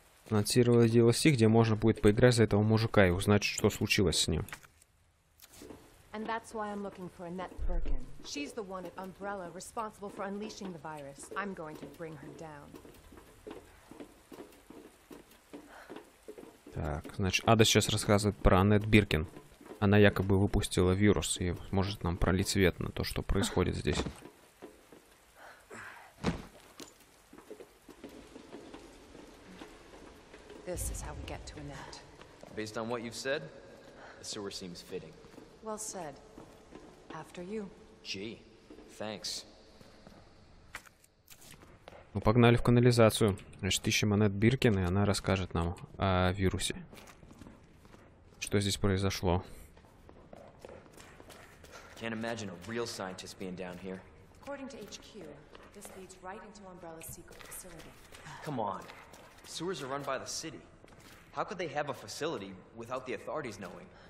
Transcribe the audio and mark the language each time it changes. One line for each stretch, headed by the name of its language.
Russian: анонсировали DLC, где можно будет поиграть за этого мужика и узнать, что случилось с ним.
English: And that's why I'm looking for Annette Birkin. She's the one at Umbrella responsible for unleashing the virus. I'm going to bring her down.
Russian: Так, значит, Ада сейчас рассказывает про Аннет Биркин. Она якобы выпустила вирус и может нам пролить свет на то, что происходит здесь.
English: This is how we get to Annette. Based on what you've said, the sewer seems fitting. Well said. After you. Gee, thanks.
Russian: Ну, погнали в канализацию. Значит, ищем Аннет Биркин, и она расскажет нам о вирусе. Что здесь произошло?
English: Can't imagine a real scientist being down here. According to HQ, this leads right into Umbrella's secret facility. Come on. Sewers are run by the city. How could they have a facility without the authorities knowing?